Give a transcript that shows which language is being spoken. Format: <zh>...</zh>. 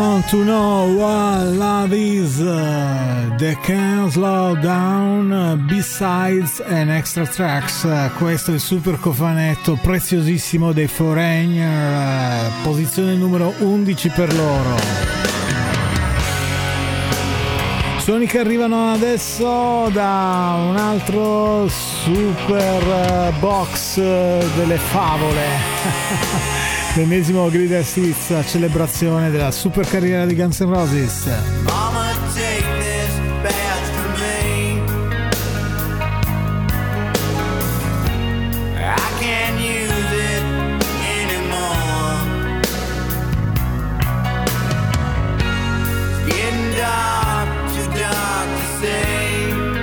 <en>To know what love is, The Can't Slow Down, B-Sides and Extra Tracks.</en> <it>Questo è il super cofanetto preziosissimo dei Foreigner, posizione numero 11 per loro. Suoni che arrivano adesso da un altro super box delle favole. L'ennesimo Grid Assist a celebrazione della super carriera di Guns N' Roses.</it> <en>Mama, take this badge for me. I can't use it anymore. Getting dark, too dark to say.</en>